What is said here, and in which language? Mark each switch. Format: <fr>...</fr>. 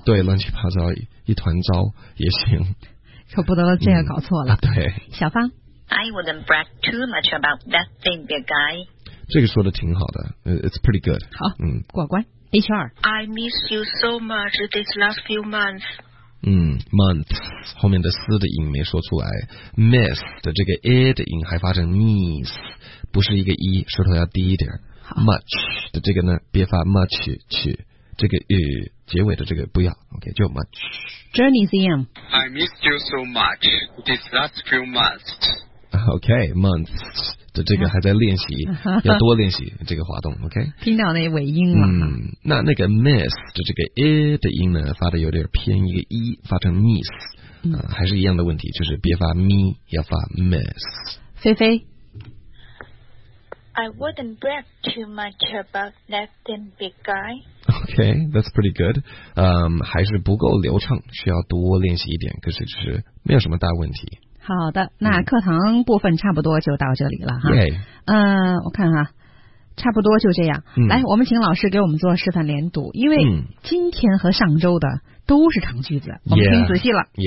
<zh>对，乱七八糟一团糟也行，可不得这样搞错了、对，小芳</zh> <en>，I wouldn't brag too much about that thing, big guy。</en> <zh>这个说的挺好的 ，</zh> <en>it's pretty good。</en> <zh>好，过关 ，HR。</zh> <en>I miss you so much these last few months。</en> <zh>Months 后面的 s 的音没说出来 ，miss 的这个 e 的音还发成 miss， 不是一个 e， 舌头要低一点。 Much 的这个呢，别发 much 去，这个 e 结尾的这个不要 ，OK 就 much。</zh> <en>Journey's End。 I missed you so much these last few months。</en> <zh>OK，months 的这个还在练习，要多练习这个滑动 ，OK。听到那尾音了。那个 miss 的这个 e 的音呢，发的有点偏一个 e， 发成 miss，还是一样的问题，就是别发 me， 要发 miss。菲菲</zh> <en>，I wouldn't brag too much about that thing, big guy。 Okay, that's pretty good.</en> <zh>还是不够流畅，需要多练习一点，可是就是没有什么大问题。好的，那课堂部分差不多就到这里了哈。我看哈，差不多就这样。来，我们请老师给我们做示范连读，因为今天和上周的都是长句子，我们听仔细了。</zh>